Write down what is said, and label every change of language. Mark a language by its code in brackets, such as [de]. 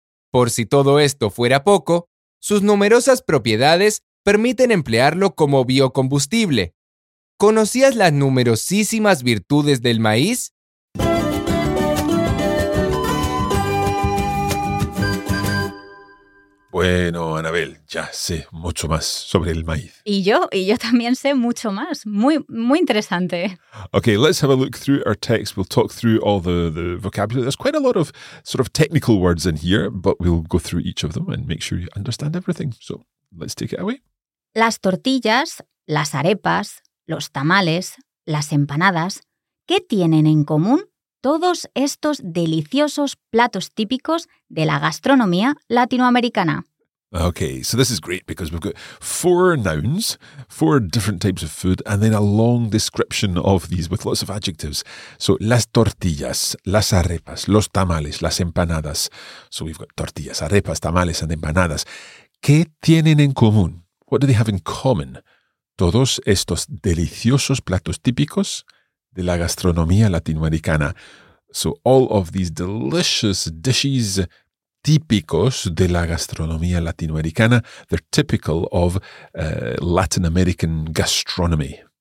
[es] Por si todo esto fuera poco, sus numerosas propiedades permiten emplearlo como biocombustible. ¿Conocías las numerosísimas virtudes del maíz? Bueno, Anabel, ya sé mucho más sobre el maíz. Y yo también sé mucho más. Muy, muy interesante. [en] Okay, let's have a look through our text. We'll talk through all the vocabulary. There's quite a lot of sort of technical words in here, but we'll go through each of them and make sure you understand everything. So, let's take it away. [es] Las tortillas, las arepas, los tamales, las empanadas, ¿qué tienen en común todos estos deliciosos platos típicos de la gastronomía latinoamericana? [en] Okay, so this is great because we've got 4 nouns, 4 different types of food, and then a long description of these with lots of adjectives. [es] So, las tortillas, las arepas, los tamales, las empanadas. [en] So we've got tortillas, arepas, tamales, and empanadas. [es] ¿Qué tienen en común? [en] What do they have in common? [es] Todos estos deliciosos platos típicos de la gastronomía latinoamericana. [en] So all of these delicious dishes [es] típicos de la gastronomía latinoamericana, [en] they're typical of Latin American gastronomy.